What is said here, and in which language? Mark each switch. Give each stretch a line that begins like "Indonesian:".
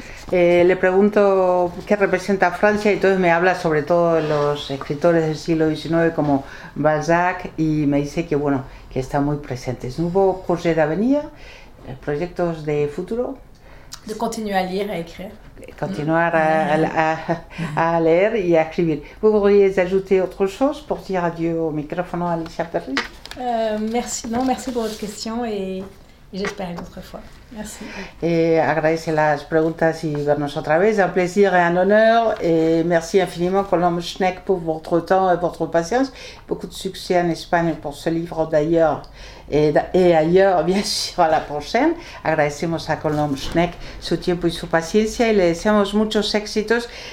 Spanish: Le pregunto qué representa Francia y entonces me habla sobre todo los escritores del siglo XIX como Balzac y me dice que bueno, que están muy presentes. ¿Hubo cursos de avenida? ¿Proyectos de futuro? De continuar a leer y a escribir. Continuar a leer y a escribir. ¿Vos podrías ajouter otra cosa para decir adiós al micrófono a Alicia Perry?
French: Merci por votre question y j'espère une autre fois. Merci.
Spanish: Agradece las preguntas y vernos otra vez.
French: Un plaisir et un honneur. Et merci infiniment, Colombe Schneck, pour votre temps et votre patience. Beaucoup de succès en Espagne pour ce livre d'ailleurs et ailleurs, bien sûr, à la prochaine.
Spanish: Agradecemos a Colombe Schneck su tiempo y su paciencia y le deseamos muchos éxitos.